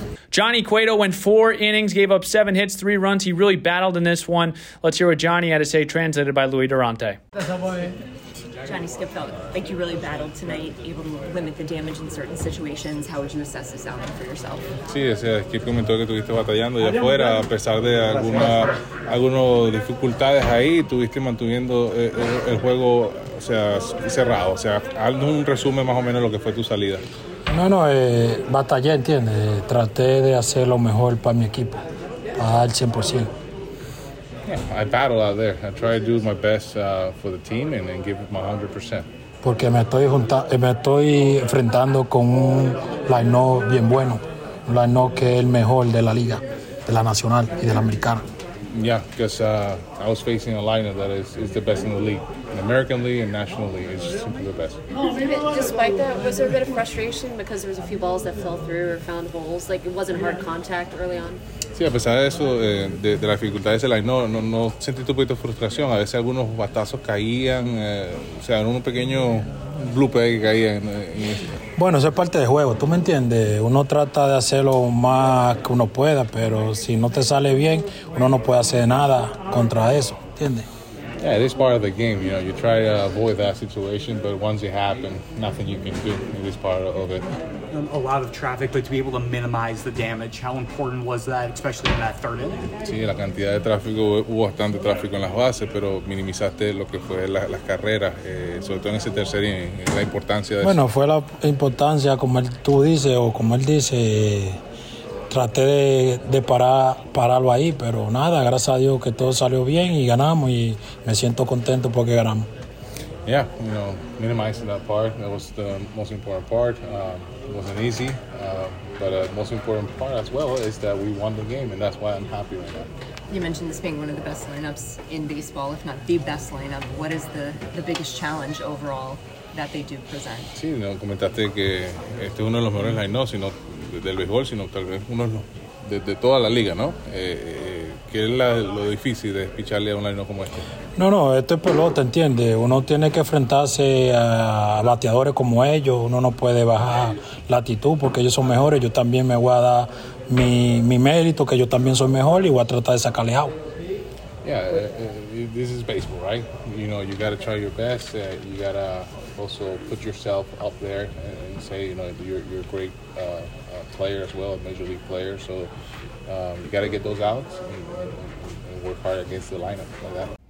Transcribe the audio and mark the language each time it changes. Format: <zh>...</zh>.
<en>Johnny Cueto went four innings, gave up seven hits, three runs. He really battled in this one. Let's hear what Johnny had to say, translated by Louis Durante. Johnny, Skip felt like you really battled tonight, able to limit the damage in certain situations. How would you assess this outing for yourself?</en> <es>Sí, o sea, Skip comentó que tuviste batallando allá afuera, a pesar de algunas dificultades ahí, tuviste manteniendo el juego, o sea, cerrado. O sea, haz un resumen más o menos lo que fue tu salida. Bueno, batallé, ¿entiendes? Traté de hacer lo mejor para mi equipo, para dar 100%.</es> <en>I battled out there. I tried to do my best for the team and give it my 100%.</en> <es>Porque me estoy enfrentando con un line-up bien bueno, un line-up que es el mejor de la liga, de la nacional y de la americana.</es> <en>Yeah, because I was facing a lineup that is the best in the league, in American League and National League. It's just simply the best. Despite that, was there a bit of frustration because there was a few balls that fell through or found holes? Like, it wasn't hard contact early on?</en> <es>Sí, a pesar de eso, de la dificultad de ese line, no sentí un poquito de frustración. A veces algunos batazos caían, o sea, era un pequeño bloopé que caía. Bueno, eso es parte del juego, ¿tú me entiendes? Uno trata de hacer lo más que uno pueda, pero si no te sale bien, uno no puede hacer nada contra eso, ¿entiendes?</es> <en>Yeah, it is part of the game. You know, you try to avoid that situation, but once it happens, nothing you can do. It is part of it. A lot of traffic, but to be able to minimize the damage, how important was that, especially in that third inning?</en> <es>Sí, la cantidad de tráfico, hubo bastante tráfico en las bases, pero minimizaste lo que fue las carreras, sobre todo en ese tercer inning, la importancia de eso. Bueno, fue la importancia, como él, tú dices, o como él dice, traté de pararlo ahí, pero nada, gracias a Dios que todo salió bien y ganamos y me siento contento porque ganamos.</es> <en>Yeah, you know, minimizing that part, that was the most important part. It wasn't easy, but the most important part as well is that we won the game, and that's why I'm happy right now. You mentioned this being one of the best lineups in baseball, if not the best lineup. What is the biggest challenge overall that they do present?</en> <es>Sí, no, comentaste que este es uno de los mejores lineups, sino del béisbol, sino tal vez uno de toda la liga, ¿no? ¿Qué es lo difícil de picharle a un lineup como este? No, no, esto es pelota, ¿entiende? Uno tiene que enfrentarse a bateadores como ellos, uno no puede bajar la actitud porque ellos son mejores, yo también me voy a dar mi mérito, que yo también soy mejor y voy a tratar de sacarle out.</es> <en>Yeah, this is baseball, right? You know, you got to try your best, you got to also put yourself up there and say, you know, you're a great player as well, a major league player, so you got to get those outs and work hard against the lineup like that.</en>